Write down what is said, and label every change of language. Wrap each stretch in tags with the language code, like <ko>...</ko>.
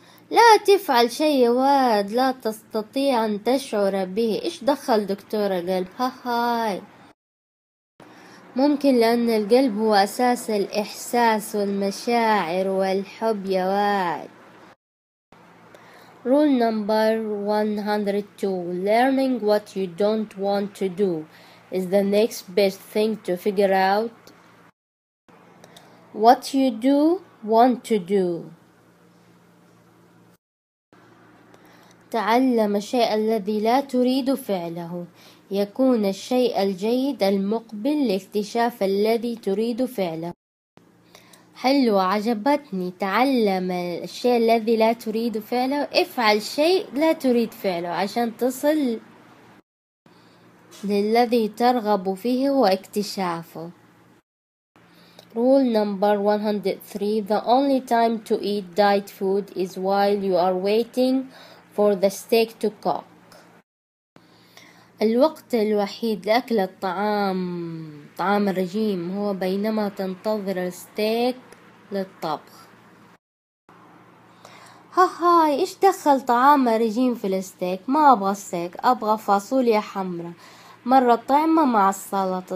<ar>لا تفعل شيء واد لا تستطيع أن تشعر به. إيش دخل دكتور القلب. هاي ممكن لأن القلب هو أساس الإحساس والمشاعر والحب يا واد.</ar> <en>Rule number 102. Learning what you don't want to do is the next best thing to figure out what you do want to do.</en> <ar>تعلم الشيء الذي لا تريد فعله يكون الشيء الجيد المقبل لاكتشاف الذي تريد فعله. حلو عجبتني. تعلم الشيء الذي لا تريد فعله. افعل شيء لا تريد فعله عشان تصل للذي ترغب فيه واكتشافه.</ar> <en>Rule number 103. The only time to eat diet food is while you are waiting for the steak to cook.</en> <ar>الوقت الوحيد لأكل الطعام طعام الرجيم هو بينما تنتظر الستيك للطبخ. هاي إيش دخل طعام الرجيم في الستيك. ما أبغى ستيك. أبغى فاصوليا حمرا مرة طعمة مع السلطة.</ar>